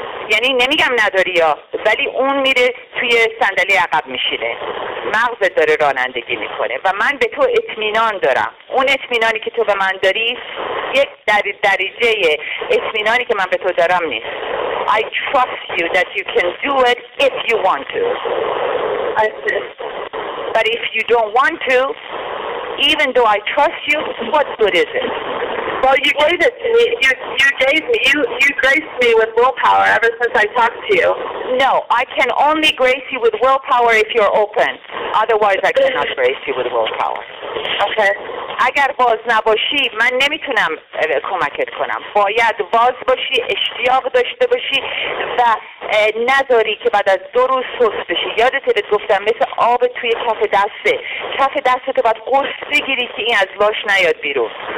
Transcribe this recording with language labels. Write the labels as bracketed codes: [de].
[fa] یعنی نمیگم نداری یا, ولی اون میره توی صندلی عقب میشینه, مغز داره رانندگی میکنه و من به تو اطمینان دارم. اون اطمینانی که تو به من داری یک درجه اطمینانی که من به تو دارم نیست. [en] I trust you that you can do it if you want to. But if you don't want to, even though I trust you, what good is it? Well, you gave it to me. You graced me with willpower ever since I talked to you. No, I can only grace you with willpower if you're open. Otherwise, I cannot grace you with willpower. Okay. [fa] اگر باز نباشی, من نمیتونم کمکت کنم. باید باز باشی, اشتیاق داشته باشی و نذاری که بعد از دو روز سست بشی. یادت بهت گفتم مثل آب توی کف دسته. کف دستت باید قرص بگیری که این از لاش نیاد بیرون.